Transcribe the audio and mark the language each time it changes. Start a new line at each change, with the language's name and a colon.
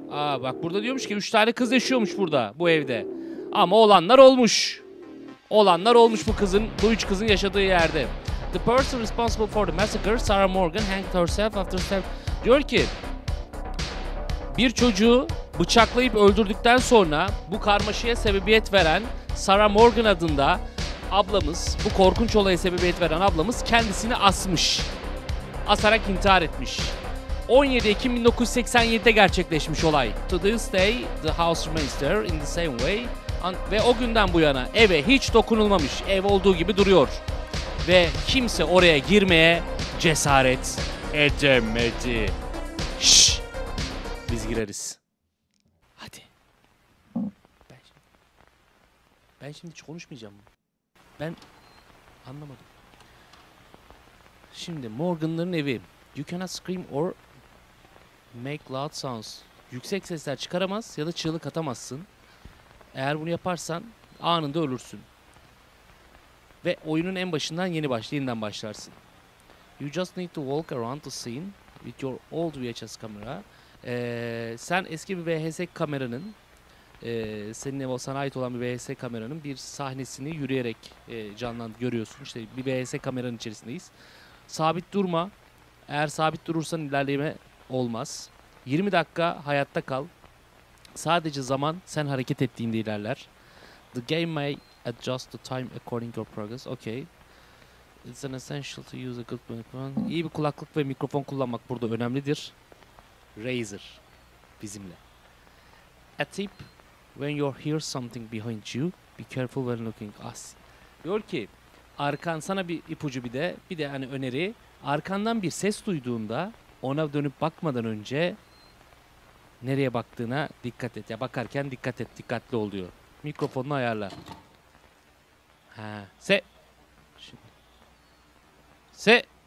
Turkish: Aa bak burada diyormuş ki 3 tane kız yaşıyormuş burada, bu evde. Ama olanlar olmuş. Olanlar olmuş bu kızın, bu 3 kızın yaşadığı yerde.
English: The person responsible for the massacre, Sarah Morgan, hanged herself after stabbing.
Turkish: Diyor ki bir çocuğu bıçaklayıp öldürdükten sonra bu karmaşaya sebebiyet veren Sarah Morgan adında ablamız, bu korkunç olaya sebebiyet veren ablamız kendisini asmış. Asarak intihar etmiş. 17 Ekim 1987'de gerçekleşmiş olay.
English: To this day, the house remains there in the same way.
Turkish: Ve o günden bu yana eve hiç dokunulmamış, ev olduğu gibi duruyor. Ve kimse oraya girmeye cesaret edemedi. Şşş. Biz gireriz. Hadi. Ben şimdi hiç konuşmayacağım. Ben anlamadım. Şimdi Morgan'ların evi.
English: You cannot scream or make loud sounds.
Turkish: Yüksek sesler çıkaramaz ya da çığlık atamazsın. Eğer bunu yaparsan Anında ölürsün. Ve oyunun en başından yeni başlayından başlarsın.
English: You just need to walk around the scene with your old VHS camera.
Turkish: Sen eski bir VHS kameranın, senin ev sana ait olan bir VHS kameranın bir sahnesini yürüyerek görüyorsun. İşte bir VHS kameranın içerisindeyiz. Sabit durma. Eğer sabit durursan ilerleme olmaz. 20 dakika hayatta kal. Sadece zaman sen hareket ettiğinde ilerler.
English: The game may adjust the time according to your progress. Okay. It's an essential to use a good microphone.
Turkish: İyi bir kulaklık ve mikrofon kullanmak burada önemlidir. Razer bizimle.
English: A tip: when you hear something behind you, be careful when looking.
Turkish: Diyor ki, arkan sana bir ipucu bir de, bir de hani öneri. Arkandan bir ses duyduğunda ona dönüp bakmadan önce nereye baktığına dikkat et. Ya bakarken dikkat et, dikkatli ol diyor. Mikrofonunu ayarla. Ha, se. Şimdi. Se.